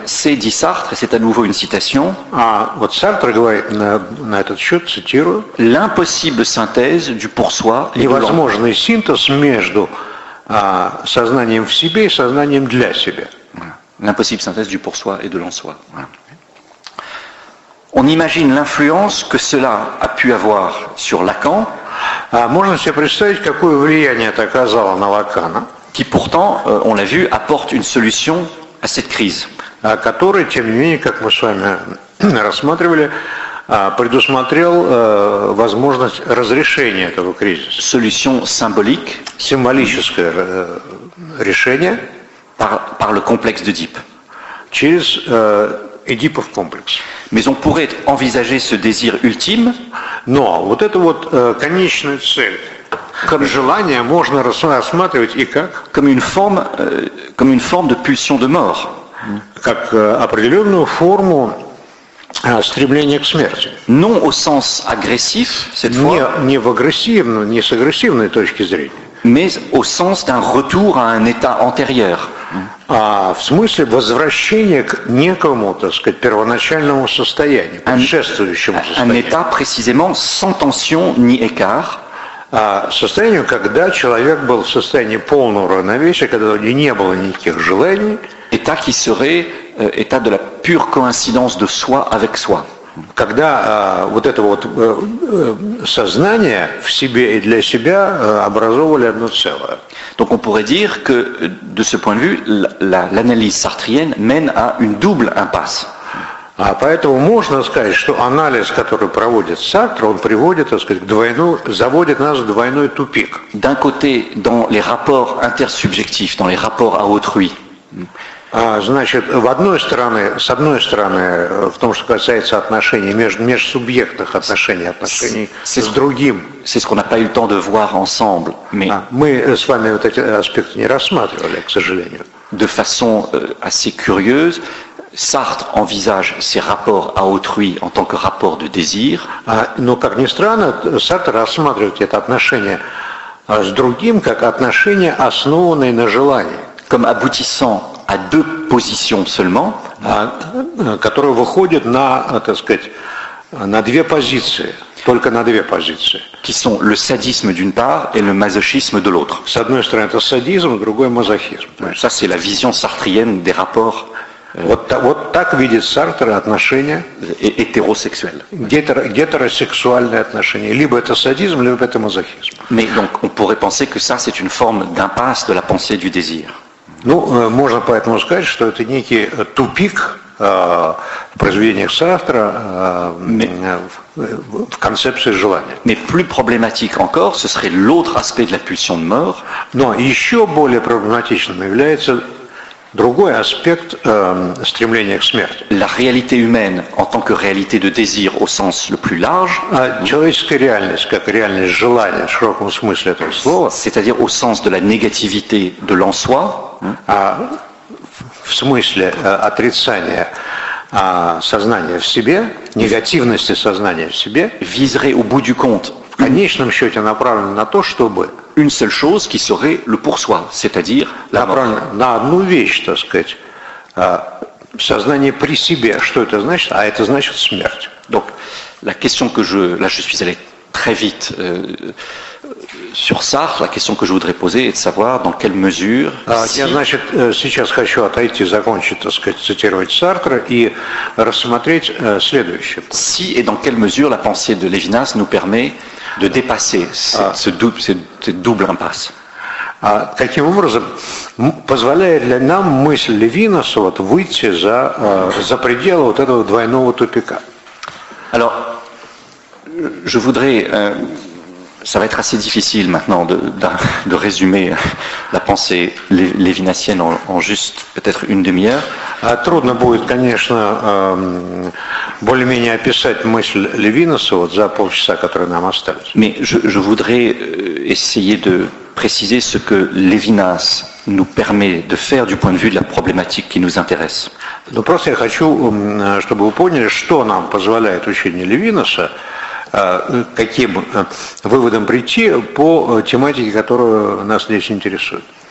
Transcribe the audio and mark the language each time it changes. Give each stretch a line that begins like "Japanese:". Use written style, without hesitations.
French: C'est dit Sartre, c'est à nouveau une citation.
Russian: А вот Сартр говорит на этот счет, цитирую.
French: L'impossible synthèse du pour soi.
Russian: Невозможный синтез между сознанием в себе и сознанием для себя.
French: L'impossible synthèse du pour soi et de l'en-soi. On imagine l'influence que cela a pu avoir sur Lacan.
Russian: Можно себе представить, какое влияние это оказало на Лакана.
French: Qui pourtant, on l'a vu, apporte une solution à cette crise.
Russian: Который, тем не менее, как мы с вами рассматривали, предусмотрел возможность разрешения этого кризиса.
French: Solution symbolique.
Russian: Символическое решение.
French: Par le complexe d'Œdipe.
Russian: Через Эдипов комплекс.
French: Mais on pourrait envisager ce désir ultime.
Russian: Но вот это вот конечная цель. Comme желание можно рассматривать и как?
French: Comme une forme de pulsion de mort.
Russian: Как определенную форму стремления к смерти.
French: Non au sens agressif, cette fois.
Russian: Не в агрессивную, не с агрессивной точки зрения.
French: Mais au sens d'un retour à un état antérieur.
Russian: А в смысле возвращения к некому, так сказать, первоначальному состоянию, предшествующему состоянию.
French: Un état précisément sans tension ni écart.
Russian: А состоянию, когда человек был в состоянии полного равновесия, когда у него не было никаких желаний.
French: État qui serait état de la pure coïncidence de soi avec soi.
Russian: Когда вот это вот сознание в себе и для себя образовывали одно целое.
French: Donc on pourrait dire que de ce point de vue l'analyse sartrienne mène à une double impasse.
Russian: А поэтому можно сказать, что анализ, который проводит Сартр, он приводит, так сказать, к двойной, заводит нас в двойной тупик.
French: D'un côté dans les rapports intersubjectifs, dans les rapports à autrui.
Russian: Значит, в одной стороны, с одной стороны, в том, что касается отношений, межсубъектных отношений, отношений с другим.
French: C'est ce qu'on n'a pas eu le temps de voir ensemble, mais...
Russian: Мы с вами вот эти аспекты не рассматривали, к сожалению.
French: De façon assez curieuse, Sartre envisage ses rapports à autrui en tant que rapport de désir.
Russian: Но как ни странно, Сартр рассматривает это отношение с другим как отношение, основанное на желании.
French: Comme aboutissant à deux positions seulement,
Russian: которые выходят на, так сказать, на две позиции, только на две позиции.
French: Qui sont le sadisme d'une part et le masochisme de l'autre.
Russian: С одной стороны это садизм, с другой мазохизм.
French: Ça c'est la vision sartrienne des rapports.
Russian: Вот так видит Сартр отношения гетеросексуальные. Гетеросексуальные отношения. Либо это садизм, либо это мазохизм.
French: Mais donc on pourrait penser que ça c'est une forme d'impasse de la pensée du désir.
Russian: Ну, можно поэтому сказать, что это некий тупик в произведениях Сартра в концепции желания.
French: Mais plus problématique encore, ce serait l'autre aspect de la pulsion de mort.
Russian: Но еще более проблематичным является другой аспект стремления к смерти.
French: La réalité humaine en tant que réalité de désir au sens le plus large.
Russian: Человеческая реальность как реальность желания в широком смысле этого слова.
French: C'est-à-dire au sens de la négativité de l'en-soi.
Russian: В смысле отрицания сознания в себе, негативности сознания в себе.
French: Viserait au bout du compte.
Russian: В конечном счете направлено на то, чтобы
French: une seule chose qui serait le pour-soi, c'est-à-dire la mort.
Russian: На одну вещь, так сказать, сознание при себе. Что это значит? А это значит смерть.
French: Donc, la question que je... Là, je suis allé très vite sur Sartre. La question que je voudrais poser est de savoir dans quelle mesure...
Russian: Я, значит, сейчас хочу отойти, закончить, так сказать, цитировать Сартра и рассмотреть следующее.
French: Si et dans quelle mesure la pensée de Levinas nous permet... de dépasser cette double impasse.
Russian: Каким образом позволяет ли нам мысль Левинаса вот выйти за пределы вот этого двойного тупика?
French: Alors, je voudrais, ça va être assez difficile maintenant de résumer la pensée lévinassienne en juste peut-être une demi-heure.
Russian: Трудно будет, конечно, более-менее описать мысль Левинаса вот за полчаса, которые нам остались.
French: Mais je voudrais essayer de préciser ce que Levinas nous permet de faire du point de vue de la problématique qui nous intéresse.
Russian: Ну, просто я хочу, чтобы вы поняли, что нам позволяет учение Левинаса, каким выводом прийти по тематике, которая нас здесь интересует.